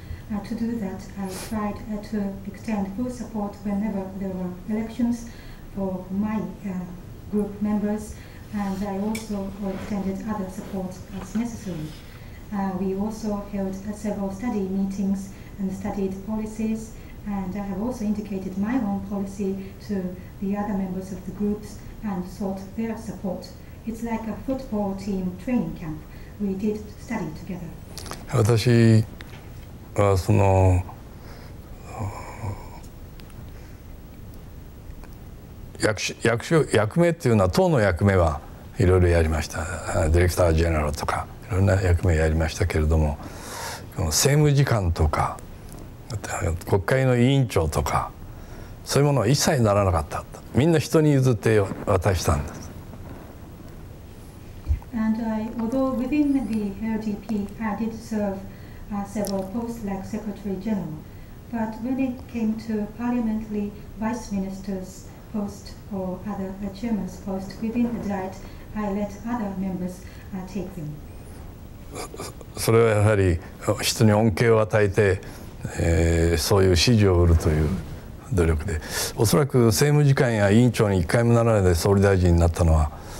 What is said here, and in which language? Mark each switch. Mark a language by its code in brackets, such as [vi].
[en] To do that, I tried to extend full support whenever there were elections for my group members, and I also extended other support as necessary. We also held several study meetings and studied policies, and I have also indicated my own policy to the other members of the groups and sought their support. It's like a football team training camp. We did study together. [ja] 私はその役目っていうのは、党の役目はいろいろやりました。ディレクタージェネラルとかいろんな役目やりましたけれども、政務次官とか国会の委員長とか、そういうものは一切ならなかった。みんな人に譲って渡したんです。 [en] And I, although within the LDP I did serve several posts like Secretary General, but when it came to parliamentary vice minister's post or other chairman's post within the Diet, I let other members take them. [ja] それはやはり人に恩恵を与えて、そういう支持を得るという努力で、おそらく政務次官や委員長に一回もならないで総理大臣になったのは、